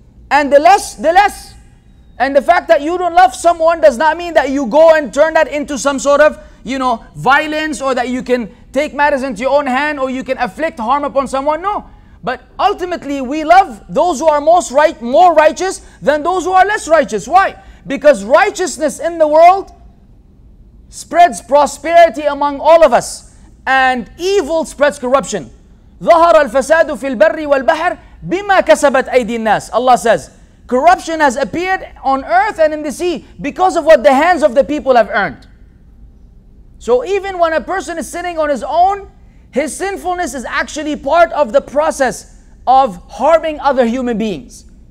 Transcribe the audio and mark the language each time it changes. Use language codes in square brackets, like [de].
[en] And the less. And the fact that you don't love someone does not mean that you go and turn that into some sort of, you know, violence, or that you can take matters into your own hand, or you can afflict harm upon someone. No. But ultimately, we love those who are most right, more righteous than those who are less righteous. Why? Because righteousness in the world spreads prosperity among all of us, and evil spreads corruption. [ar] ظهر الفساد في البر والبحر بما كسبت أيدي الناس. [en] Allah says, corruption has appeared on earth and in the sea because of what the hands of the people have earned. So even when a person is sinning on his own, his sinfulness is actually part of the process of harming other human beings.